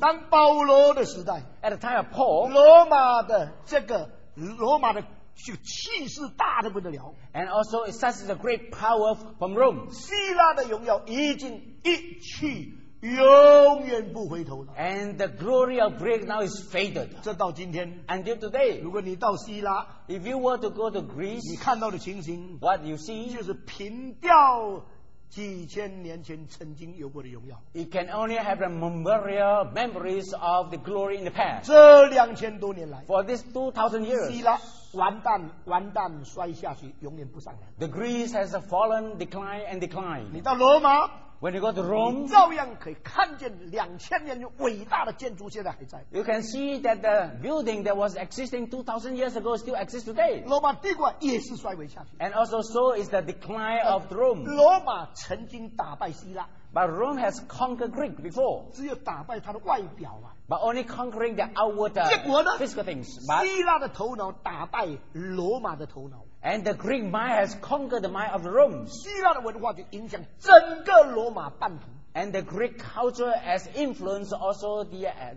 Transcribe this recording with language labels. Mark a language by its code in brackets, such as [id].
[zh] 当保罗的时代 [en] ，at the time of Paul, [zh] 罗马的就气势大得不得了。 [en] And also, it such is a great power from Rome. [zh] 希腊的荣耀已经一去。永远不回头了。 [en] And the glory of Greek now is faded. [zh] 这到今天 [en] ，until today. [zh] 如果你到希腊 [en] ，if you were to go to Greece， [zh] 你看到的情形 [en] ，what you see， [zh] 就是平掉几千年前曾经有过的荣耀。 [en] It can only have the memorial memories of the glory in the past. [zh] 这两千多年来 [en] ，for this 2,000 years， [zh] 希腊完蛋，完蛋，摔下去，永远不上来。 [en] The Greece has fallen, declined, and declined. [zh] 你到罗马。 [en] When you go to Rome, [zh] 你照样可以看见两千年伟大的建筑现在还在。 [en] You can see that the building that was existing 2,000 years ago still exists today. [zh] 罗马帝国也是衰微下去。 [en] And also so is the decline of Rome. [zh] 罗马曾经打败希腊。 [en] But Rome has conquered Greek before. [zh] 只有打败它的外表啊。 [en] But only conquering the outward physical things. [zh] 希腊的头脑打败罗马的头脑。 [en] And the Greek mind has conquered the mind of Rome. [zh] 希腊的文化就影响整个罗马半岛。 [en] And the Greek culture has influenced also the